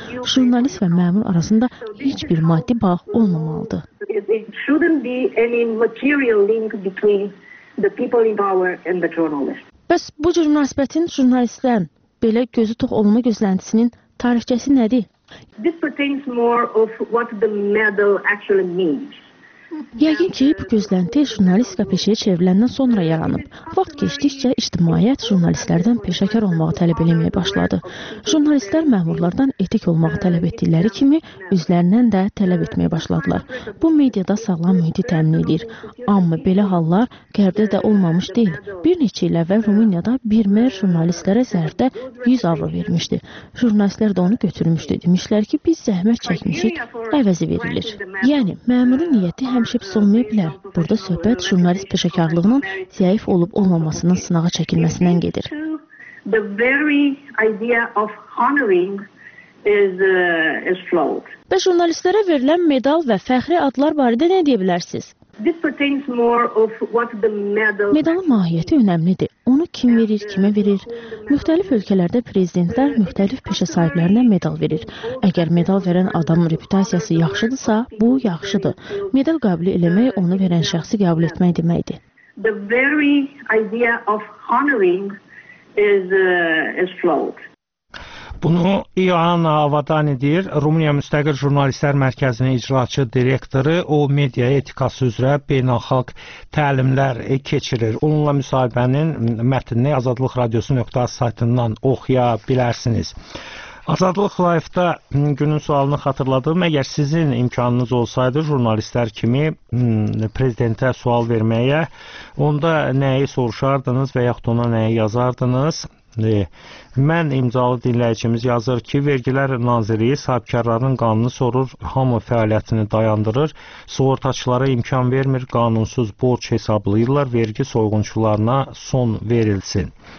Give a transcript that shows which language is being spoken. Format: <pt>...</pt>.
<az>Jurnalist və məmur arasında heç bir maddi bağ olmamalıdır. Bəs bu cür münasibətin jurnalistlərin belə gözü tox olma gözləntisinin tarixçəsi nədir?</az> <en>This pertains more of what the medal actually means.</en> <az>Yəqin ki, bu gözlənti jurnalistika peşəyə çevriləndən sonra yaranıb. Vaxt keçdikcə, ictimaiyyət jurnalistlərdən peşəkar olmağı tələb eləməyə başladı. Jurnalistlər məmurlardan etik olmağı tələb etdikləri kimi, özlərindən də tələb etməyə başladılar. Bu, mediada sağlam mühiti təmin edir. Amma belə hallar qərbdə də olmamış deyil. Bir neçə il əvvəl Rumıniyada bir mer jurnalistlərə zərfdə 100 avro vermişdi. Jurnalistlər də onu götürmüşdü. Demişlər ki, biz zəhmət çəkmişik, əvəzi verilir. Yəni, məmurun niyyəti həmişə pis olmaya bilər. Burada söhbət jurnalist peşəkarlığının zəif olub olmamasının sınağa çəkilməsindən gedir.</az> <en>the very idea of honoring is flawed.</en> <az>Bəs jurnalistlərə verilən medal və fəxri adlar barədə nə deyə bilərsiniz?</az> <en>This pertains more of what the medal.</en> <az>Medalın mahiyyəti önəmlidir. Onu kim verir, kimə verir? Müxtəlif ölkələrdə prezidentlər müxtəlif peşə sahiblərinə medal verir. Əgər medal verən adamın reputasiyası yaxşıdırsa, bu yaxşıdır. Medal qəbul eləmək onu verən şəxsi qəbul etmək deməkdir.</az> <en>The very idea of honoring is flawed.</en> <az>Bunu Ioana Avadani deyir, Rumuniya Müstəqil Jurnalistlər Mərkəzinin icraçı direktoru, o media etikası üzrə beynəlxalq təlimlər keçirir. Onunla müsahibənin mətnini Azadlıq Radiosu.az saytından oxuya bilərsiniz. Azadlıq Live-da günün sualını xatırladım. Əgər sizin imkanınız olsaydı jurnalistlər kimi prezidentə sual verməyə, onda nəyi soruşardınız və yaxud ona nəyi yazardınız? Mən imzalı dinləyicimiz yazır ki, Vergilər Nazirliyi sahibkarların qanunu sorur, hamı fəaliyyətini dayandırır, sığortaçılara imkan vermir, qanunsuz borc hesablayırlar, vergi soyğunçularına son verilsin.</az>